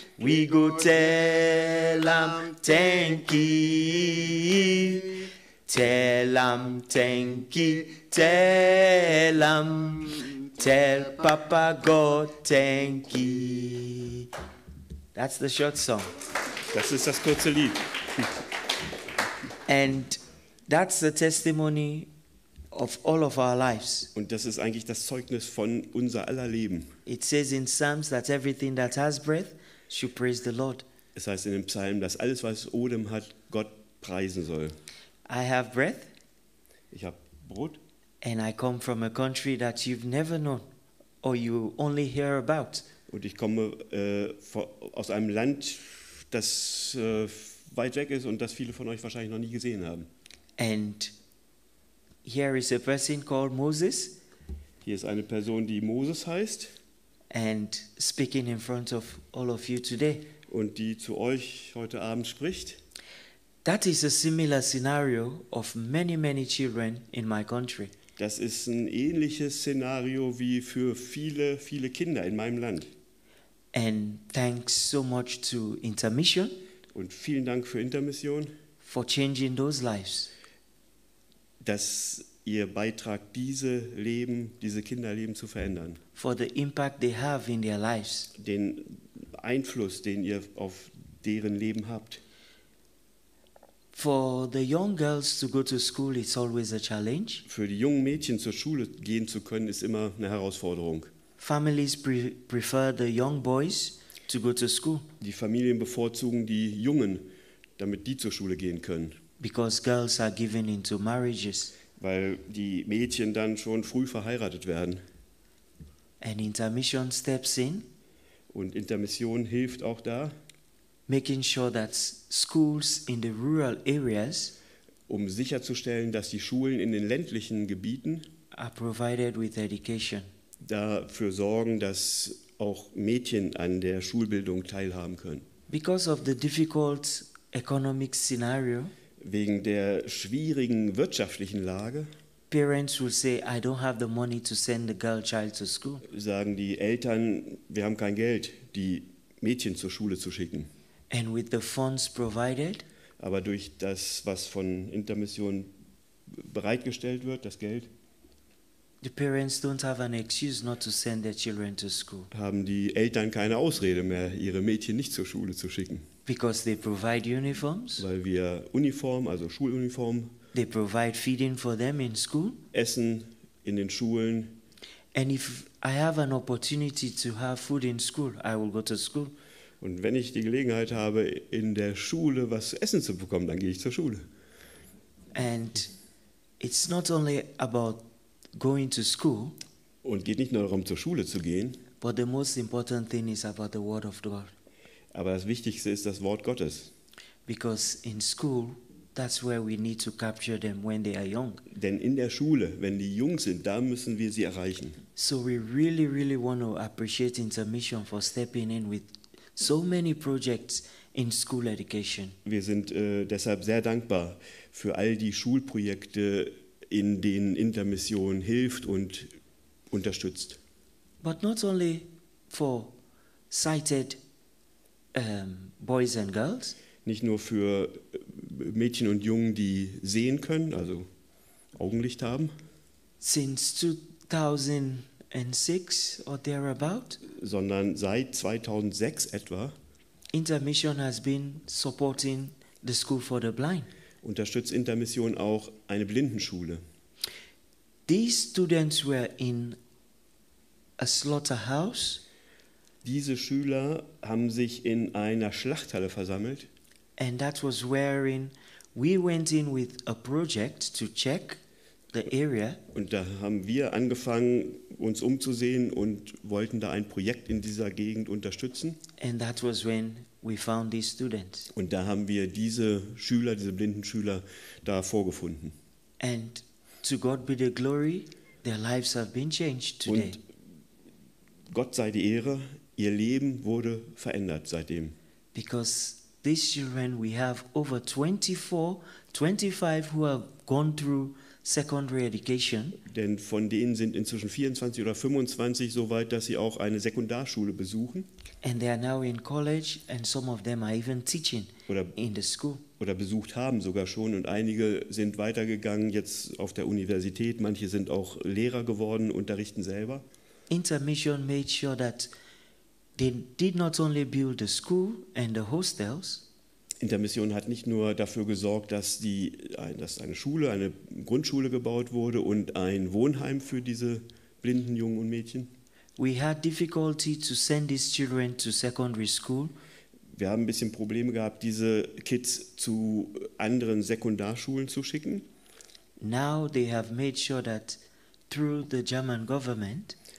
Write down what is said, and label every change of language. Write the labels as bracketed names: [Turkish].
[English] We go tell him thank you, tell him thank you, tell him. Tell Papa God thank you. That's the short song. [German] Das ist das kurze Lied. [English] And that's the testimony of all of our lives. [German] Und das ist eigentlich das Zeugnis von unser aller Leben. [English] It says in Psalms that everything that has breath should praise the Lord. [German] Es heißt in dem Psalm, dass alles was Odem hat, Gott preisen soll. [English] I have breath. [German] Ich habe Brot. [English] And I come from a country that you've never known, or you only hear about. [German] Und ich komme aus einem Land, das weit weg ist und das viele von euch wahrscheinlich noch nie gesehen haben. [English] And here is a person called Moses. [German] Hier ist eine Person, die Moses heißt. [English] And speaking in front of all of you today. [German] Und die zu euch heute Abend spricht. [English] That is a similar scenario of many, many children in my country. [German] Das ist ein ähnliches Szenario wie für viele, viele Kinder in meinem Land. [English] And thanks so much to Intermission. [German] Und vielen Dank für Intermission. [English] For changing those lives. [German] Dass ihr Beitrag diese Leben, diese Kinderleben zu verändern. [English] For the impact they have in their lives. [German] Den Einfluss, den ihr auf deren Leben habt. [English] For the young girls to go to school, it's always a challenge. [German] Für die jungen Mädchen zur Schule gehen zu können, ist immer eine Herausforderung. [English] Families prefer the young boys to go to school. [German] Die Familien bevorzugen die Jungen, damit die zur Schule gehen können. [English] Because girls are given into marriages. [German] Weil die Mädchen dann schon früh verheiratet werden. [English] And Intermission steps in. [German] Und Intermission hilft auch da. [English] Making sure that schools in the rural areas, [German] um sicherzustellen, dass die Schulen in den ländlichen Gebieten, [English] are provided with education, [German] dafür sorgen, dass auch Mädchen an der Schulbildung teilhaben können. [English] Because of the difficult economic scenario, [German] wegen der schwierigen wirtschaftlichen Lage, [English] parents will say, I don't have the money to send the girl child to school. [German] Sagen die Eltern, wir haben kein Geld, die Mädchen zur Schule zu schicken. [English] And with the funds provided, [German] aber durch das, was von Intermission bereitgestellt wird, das Geld, [English] the parents don't have an excuse not to send their children to school. [German] Haben die Eltern keine Ausrede mehr, ihre Mädchen nicht zur Schule zu schicken. [English] Because they provide uniforms. [German] Weil wir Uniform, also Schuluniform. [English] They provide feeding for them in school. [German] Essen in den Schulen. [English] And if I have an opportunity to have food in school, I will go to school. [German] Und wenn ich die Gelegenheit habe, in der Schule was zu essen zu bekommen, dann gehe ich zur Schule. [English] And it's not only about going to school. [German] Und geht nicht nur darum, zur Schule zu gehen. [English] But the most important thing is about the word of God. [German] Aber das Wichtigste ist das Wort Gottes. [English] Because in school, that's where we need to capture them when they are young. [German] Denn in der Schule, wenn die jung sind, da müssen wir sie erreichen. [English] So we really, really want to appreciate Intermission for stepping in with so many projects in school education. [German] Wir sind deshalb sehr dankbar für all die Schulprojekte, in denen Intermission hilft und unterstützt. [English] But not only for sighted boys and girls. [German] Nicht nur für Mädchen und Jungen, die sehen können, also Augenlicht haben. [English] Since 2006 or thereabout. [German] Sondern seit 2006 etwa. [English] Intermission has been supporting the school for the blind. [German] Unterstützt Intermission auch eine Blindenschule. [English] These students were in a slaughterhouse. [German] Diese Schüler haben sich in einer Schlachthalle versammelt. [English] And that was wherein we went in with a project to check the area. [German] Und da haben wir angefangen, uns umzusehen und wollten da ein Projekt in dieser Gegend unterstützen. [English] And that was when we found these students. [German] Und da haben wir diese Schüler, diese blinden Schüler, da vorgefunden. [English] And to God be the glory, their lives have been changed today. [German] Und Gott sei die Ehre, ihr Leben wurde verändert seitdem. [English] Because these children, we have over 24, 25 who have gone through secondary education. [German] Denn von denen sind inzwischen 24 oder 25 so weit, dass sie auch eine Sekundarschule besuchen. [English] And they are now in college, and some of them are even teaching in the school. [German] Oder besucht haben sogar schon, und einige sind weitergegangen jetzt auf der Universität. Manche sind auch Lehrer geworden, unterrichten selber. [English] Intermission made sure that they did not only build the school and the hostels. [German] Intermission hat nicht nur dafür gesorgt, dass eine Schule, eine Grundschule gebaut wurde und ein Wohnheim für diese blinden Jungen und Mädchen. [English] We had difficulty to send these children to secondary school. [German] Wir haben ein bisschen Probleme gehabt, diese Kids zu anderen Sekundarschulen zu schicken. [English] Now they have made sure that through the German government.